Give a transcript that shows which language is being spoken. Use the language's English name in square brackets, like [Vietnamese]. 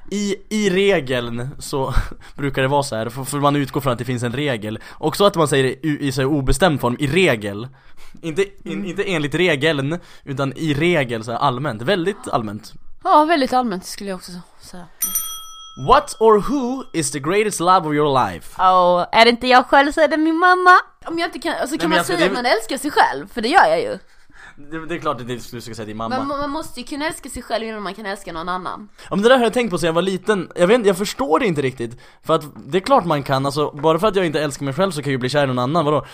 [Swedish] Liksom, det. I regeln så brukar det vara så här för man utgår från att det finns en regel och så att man säger i så här obestämd form i regel. Inte enligt regeln utan i regel så här allmänt, väldigt allmänt. Ja, väldigt allmänt skulle jag också säga. [English] What or who is the greatest love of your life? [Swedish] Oh, är det inte jag själv så är det min mamma. Om jag inte kan, alltså kan. Nej, man säga att man älskar sig själv, för det gör jag ju. Det är klart att du ska säga din mamma. Men man måste ju kunna älska sig själv innan man kan älska någon annan. Ja, men det där har jag tänkt på sen jag var liten. Jag förstår det inte riktigt. För att det är klart man kan, alltså, bara för att jag inte älskar mig själv så kan jag ju bli kär i någon annan. Vadå?